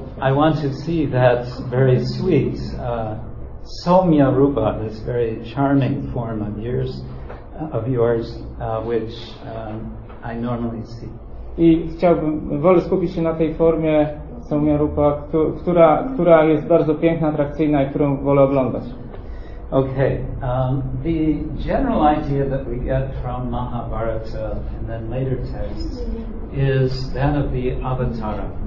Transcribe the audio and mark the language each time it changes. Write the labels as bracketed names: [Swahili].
[English] I want to see that very sweet Soumya Rupa, this very charming form of yours, which I normally see. [Polish] I chciałbym, wolę skupić się na tej formie Soumya Rupa, która jest bardzo piękna, atrakcyjna i którą wolę oglądać. [English] Okay, the general idea that we get from Mahabharata and then later texts is that of the avatara.